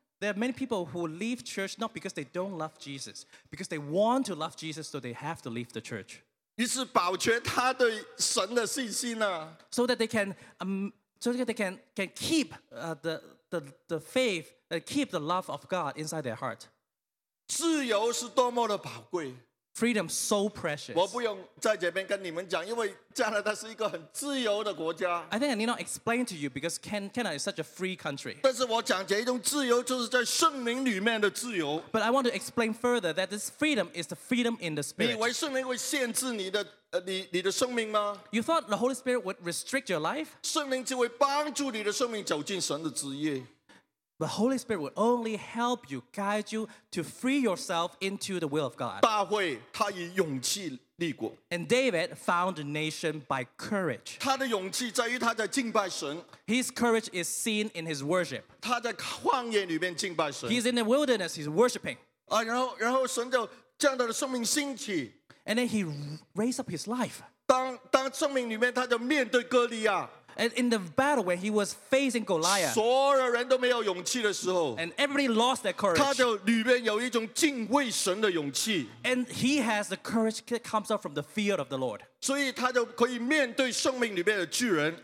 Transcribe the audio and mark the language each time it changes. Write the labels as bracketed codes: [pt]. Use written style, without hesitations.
[en] There are many people who leave church not because they don't love Jesus, because they want to love Jesus, so they have to leave the church. [zh] 于是保全他对神的信心呢。 [en] So that they can keep the faith, keep the love of God inside their heart. [zh] 自由是多么的宝贵。 [en] Freedom so precious. [zh] 我不用在这边跟你们讲，因为加拿大是一个很自由的国家。 [en] I think I need not explain to you because Canada is such a free country. [zh] 但是我讲这一种自由就是在圣灵里面的自由。 [en] But I want to explain further that this freedom is the freedom in the spirit. [zh] 你以为圣灵会限制你的生命吗？ [en] You thought the Holy Spirit would restrict your life? [zh] 圣灵只会帮助你的生命走进神的旨意。 [en] The Holy Spirit would only help you, guide you to free yourself into the will of God. [zh] 大卫他以勇气立国。 [en] And David found a nation by courage. [zh] 他的勇气在于他在敬拜神。 [en] His courage is seen in his worship. [zh] 他在旷野里面敬拜神。 [en] He's in the wilderness, he's worshiping. [zh] 然后神就这样的生命兴起。 [en] And then he raised up his life. [zh] 当生命里面他就面对哥利亚。 [en] And in the battle when he was facing Goliath, [zh] 所有人都没有勇气的时候, [en] and everybody lost their courage, [zh] 他就里面有一种敬畏神的勇气, [en] and he has the courage that comes out from the fear of the Lord. [zh] 所以他就可以面对生命里面的巨人,